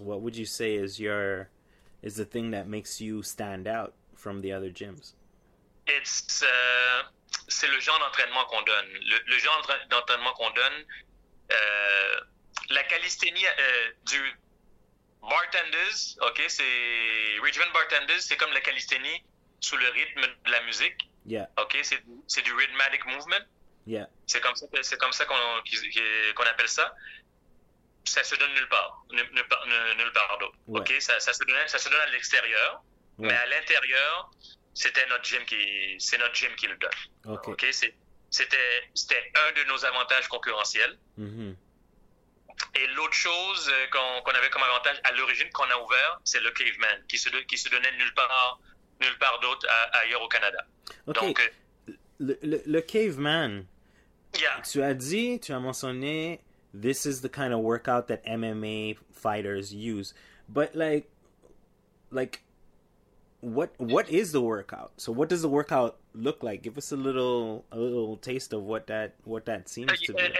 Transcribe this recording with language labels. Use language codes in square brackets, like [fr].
[en] What would you say is the thing that makes you stand out from the other gyms? [fr] C'est le genre d'entraînement qu'on donne. Le genre d'entraînement qu'on donne, la calisthénie du Bartenders, ok, c'est Richmond Bartenders, c'est comme la calisthénie sous le rythme de la musique. [en] Yeah. [fr] Ok, c'est du [en] rhythmic movement. Yeah. [fr] C'est comme ça qu'on appelle ça. Ça se donne nulle part d'autre. Ouais. Ok, ça se donne à l'extérieur, ouais. Mais à l'intérieur, c'est notre gym qui le donne. [en] Ok. [fr] Ok, c'était un de nos avantages concurrentiels. Mm-hmm. Et l'autre chose qu'on avait comme avantage à l'origine qu'on a ouvert, c'est le caveman qui se donnait nulle part d'autre ailleurs au Canada. Okay. Donc le caveman. [en] Yeah. [fr] Tu as mentionné [en] this is the kind of workout that MMA fighters use. But like what is the workout? So what does the workout look like? Give us a little taste of what that seems to be.